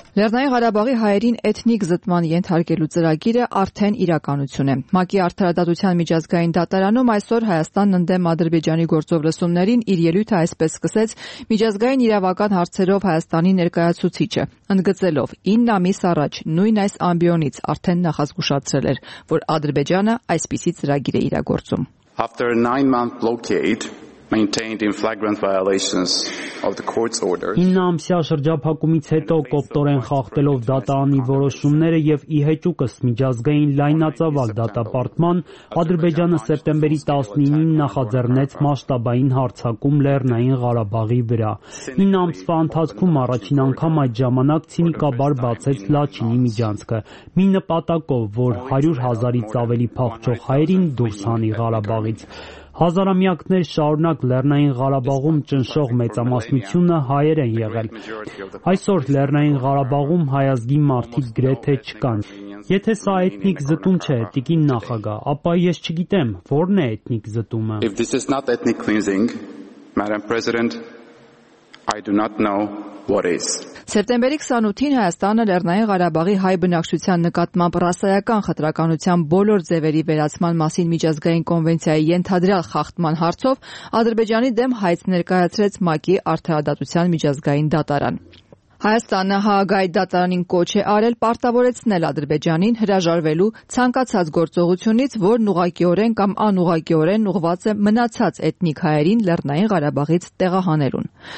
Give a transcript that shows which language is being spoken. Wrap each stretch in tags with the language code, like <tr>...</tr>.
<hy>Լեռնային Ղարաբաղի հայերին էթնիկ զտման ենթարկելու ծրագիրը արդեն իրականություն է։ ՄԱԿ-ի արդարադատության միջազգային դատարանում այսօր Հայաստանն ընդդեմ Ադրբեջանի գործով լսումներին իր ելույթը այսպես սկսեց միջազգային իրավական հարցերով Հայաստանի ներկայացուցիչը, ընդգծելով 9 ամիս առաջ նույն այս ամբիոնից արդեն նախազգուշացրել էր, որ Ադրբեջանը այսպիսի ծրագիր է իրագործում։</hy> <en>After a 9-month blockade maintained in flagrant violations of the court's orders.</en> <hy>Իննամսյա շրջափակումից հետո կոպտորեն խախտելով դատարանի որոշումները եւ իհեճուկս միջազգային լայնածավալ դատապարտման, Ադրբեջանը սեպտեմբերի 19-ին նախաձեռնեց մասշտաբային հարձակում Լեռնային Ղարաբաղի վրա։ Իննամսվա ընթացքում առաջին անգամ այդ ժամանակ ցինիկաբար բացեց Լաչինի միջանցքը, մի նպատակով, որ 100,000-ից ավելի փախչող հայերին դուրս հանի Ղարաբաղից։ Հազարամյակներ շարունակ Լեռնային Ղարաբաղում ճնշող մեծամասնությունը հայեր են եղել։ Այսօր Լեռնային Ղարաբաղում հայազգի մարդիկ գրեթե չկան։ Եթե սա էթնիկ զտում չէ, տիկին նախագահ, ապա ես չգիտեմ, որն է էթնիկ զտումը։</hy> <en>If this is not ethnic cleansing, Madam President, I do not know what is.</en> <hy>Սեպտեմբերի 28-ին Հայաստանը Լեռնային Ղարաբաղի հայ բնակչության նկատմամբ ռասայական խտրականության բոլոր ձևերի վերացման մասին միջազգային կոնվենցիայի ենթադրյալ խախտման հարցով Ադրբեջանի դեմ հայց ներկայացրեց ՄԱԿ-ի արդարադատության միջազգային դատարան։ Հայաստանը Հաագայի դատարանին կոչ է արել պարտավորեցնել Ադրբեջանին հրաժարվելու ցանկացած գործողությունից, որն ուղղակիորեն կամ անուղղակիորեն ուղղված է մնացած էթնիկ հայերին Լեռնային Ղարաբաղից տեղահանելուն։</hy>